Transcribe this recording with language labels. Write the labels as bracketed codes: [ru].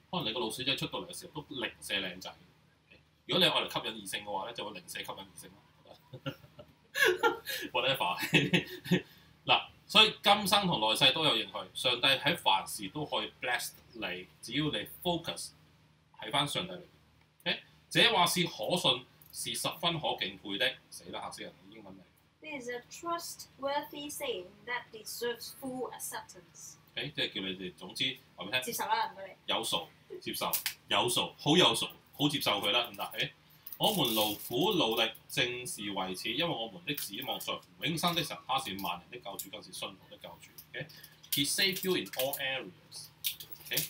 [yue] 可能你個老鼠仔出到嚟嘅時候都零舍靚仔。如果你愛嚟吸引異性嘅話咧，就會零舍吸引異性咯。 Whatever 嗱，所以今生同來世都有應許，上帝喺凡事都可以 bless 你，只要你 focus 喺翻上帝裏邊。Okay? 這話是可信，是十分可敬佩的。死啦，嚇死人！英文嚟。 [en] This is a trustworthy saying that deserves full acceptance。 [yue] 誒，即係叫你哋，總之話俾你聽，接受啦，唔該你。有數，接受，有數，好有數，好接受佢啦，唔得。誒，我們勞苦努力，正是為此，因為我們的指望在永生的神，他是萬人的救主，更是信徒的救主。 [en] Okay? He save you in all areas。 Okay?